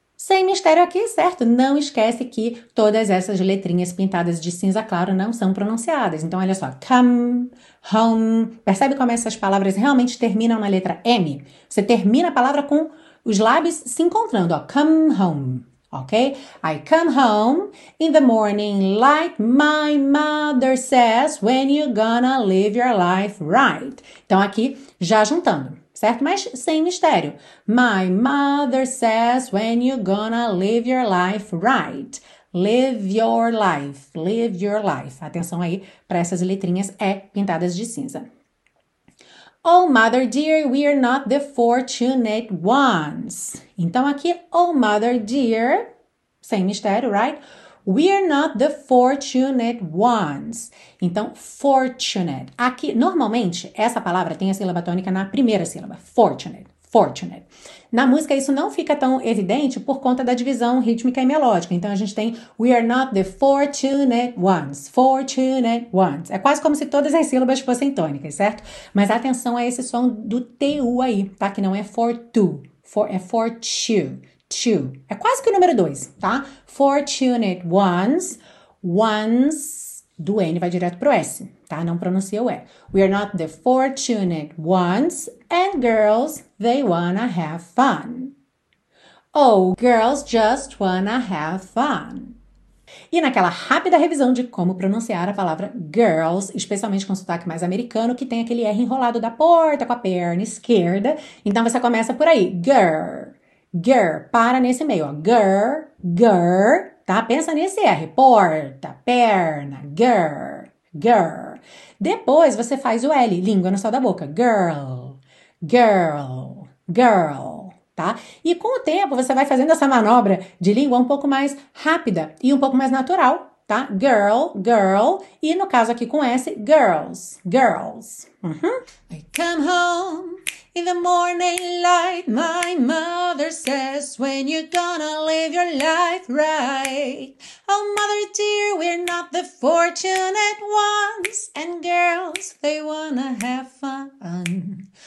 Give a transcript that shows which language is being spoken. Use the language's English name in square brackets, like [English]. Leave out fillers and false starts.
[Portuguese] Sem mistério aqui, certo? Não esquece que todas essas letrinhas pintadas de cinza claro não são pronunciadas. Então, olha só. [English] Come, home. [Portuguese] Percebe como essas palavras realmente terminam na letra M? Você termina a palavra com os lábios se encontrando. [English] Ó. Come home. Ok? I come home in the morning light. My mother says, when you gonna live your life right? [Portuguese] Então, aqui, já juntando. Certo? Mas sem mistério. [English] My mother says, when you gonna live your life right? Live your life. Live your life. [Portuguese] Atenção aí para essas letrinhas E pintadas de cinza. [English] Oh, mother dear, we are not the fortunate ones. [Portuguese] Então aqui, [English] oh, mother dear, [Portuguese] sem mistério, right? [English] We are not the fortunate ones. [Portuguese] Então, fortunate. Aqui, normalmente, essa palavra tem a sílaba tônica na primeira sílaba. Fortunate. Fortunate. Na música, isso não fica tão evidente por conta da divisão rítmica e melódica. Então, a gente tem [English] we are not the fortunate ones. Fortunate ones. [Portuguese] É quase como se todas as sílabas fossem tônicas, certo? Mas atenção a esse som do TU aí, tá? Que não é for tu. For, é for tu. Two. É quase que o número 2, tá? [English] Fortunate ones, ones, [Portuguese] do N vai direto pro S, tá? Não pronuncia o E. [English] We are not the fortunate ones, and girls, they wanna have fun. Oh, girls just wanna have fun. [Portuguese] E naquela rápida revisão de como pronunciar a palavra girls, especialmente com sotaque mais americano, que tem aquele R enrolado da porta com a perna esquerda, então você começa por aí, girl. Girl, para nesse meio, ó. Girl, girl, tá? Pensa nesse R, porta, perna, girl, girl. Depois você faz o L, língua no céu da boca, girl, girl, girl, tá? E com o tempo você vai fazendo essa manobra de língua um pouco mais rápida e um pouco mais natural, tá? Girl, girl, e no caso aqui com S, girls, girls. [English] I come home in the morning light, my mother says, when you gonna live your life right? Oh, mother dear, we're not the fortunate ones, and girls, they wanna have fun.